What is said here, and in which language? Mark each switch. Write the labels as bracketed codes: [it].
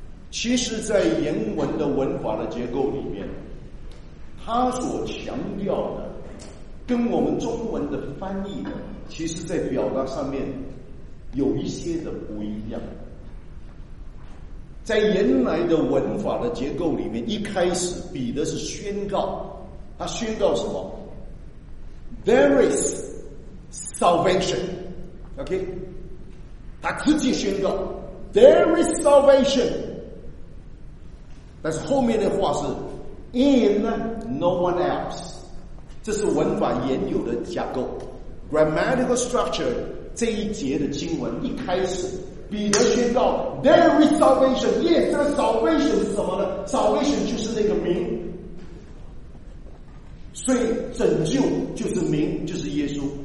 [zh] 其实在原文的文法的结构里面，他所强调的跟我们中文的翻译呢，其实在表达上面有一些的不一样。在原来的文法的结构里面，一开始彼得是宣告，他宣告什么？ [en] There is salvation， OK， [zh] 他直接宣告 [en] There is salvation。 [zh] 但是后面的话是 [en] In no one else， [zh] 这是文法原有的架构 grammatical structure。这一节的经文一开始彼得宣告 [en] There is salvation。 [zh] Yes， salvation 是什么呢？Salvation 就是那个名，所以拯救就是名，就是耶稣。